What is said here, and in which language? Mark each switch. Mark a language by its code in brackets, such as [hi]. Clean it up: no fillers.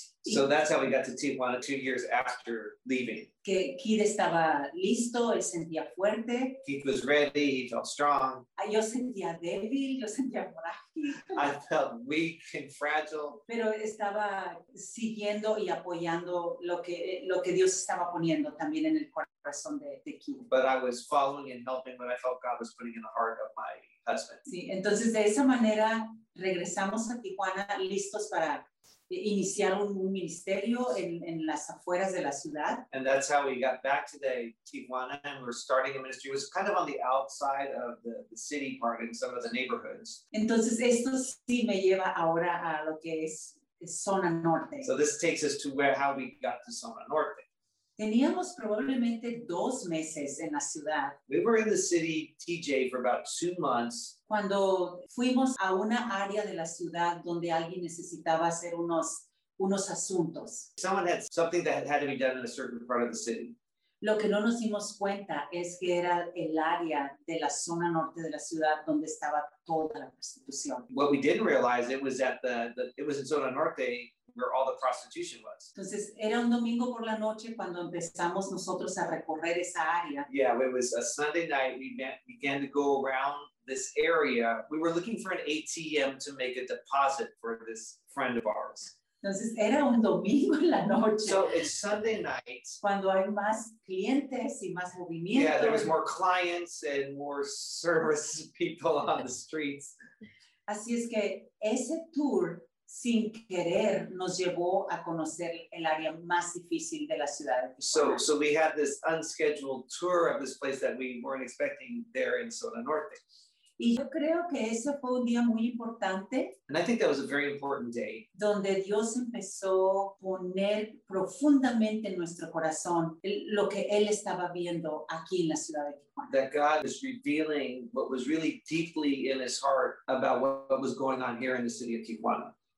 [en] So that's how we got to Tijuana 2 years after leaving. [es] Que Keith estaba listo, él sentía fuerte. [en] Keith was ready, he felt strong. [es] Yo sentía débil, yo sentía frágil. [en] I felt weak and fragile. [es] Pero estaba siguiendo y apoyando lo que Dios estaba poniendo también en el corazón de Keith. [en] But I was following and helping what I felt God was putting in the heart of my husband. [es] Sí, entonces de esa manera regresamos a Tijuana listos para iniciar un ministerio en las afueras de la ciudad. [en] And that's how we got back to the Tijuana and we're starting a ministry. It was kind of on the outside of the city part in some of the neighborhoods. [es] Entonces esto sí me lleva ahora a lo que es Zona Norte. [en] So this takes us to how we got to Zona Norte. [es] Teníamos probablemente 2 meses en la ciudad. [en] We were in the city TJ for about 2 months. [es] Cuando fuimos a una área de la ciudad donde alguien necesitaba hacer unos asuntos. [en] Someone had something that had to be done in a certain part of the city. [es] Lo que no nos dimos cuenta es que era el área de la zona norte de la ciudad donde estaba toda la prostitución. [en] What we didn't realize it was that it was in Zona Norte where all the prostitution was. [es] Entonces era un domingo por la noche cuando empezamos nosotros a recorrer esa área. [en] Yeah, it was a Sunday night. We began to go around this area. We were looking for an ATM to make a deposit for this friend of ours. [es] Entonces era un domingo en la noche. [en] So it's Sunday night. [es] Cuando hay más clientes y más movimiento. [en] Yeah, there was more clients and more service people on the streets. [es] Así es que ese tour sin querer nos llevó a conocer el área más difícil de la ciudad de Tijuana. [en] So we had this unscheduled tour of this place that we weren't expecting there in Zona Norte. [es] Y yo creo que ese fue un día muy importante. [en] And I think that was a very important day. [es] Donde Dios empezó a poner profundamente en nuestro corazón lo que Él estaba viendo aquí en la ciudad de Tijuana. [en] That God is revealing what was really deeply in His heart about what was going on here in the city of Tijuana.